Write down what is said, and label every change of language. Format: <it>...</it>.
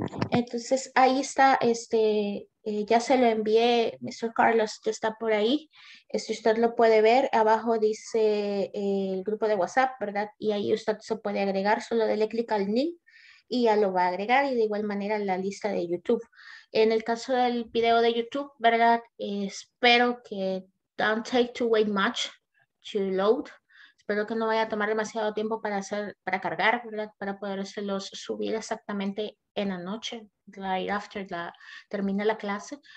<es>Entonces ahí está, ya se lo envié, Mr. Carlos, ya está por ahí. Si usted lo puede ver, abajo dice el grupo de WhatsApp, ¿verdad? Y ahí usted se puede agregar, solo dele clic al link y ya lo va a agregar, y de igual manera la lista de YouTube. En el caso del video de YouTube, ¿verdad? Espero que</es> <en>don't take too way much to load.</en> <es>Espero que no vaya a tomar demasiado tiempo para cargar, ¿verdad? Para podérselos subir exactamente en la noche,</es> <en>right after</en> <es>termina la clase.</es>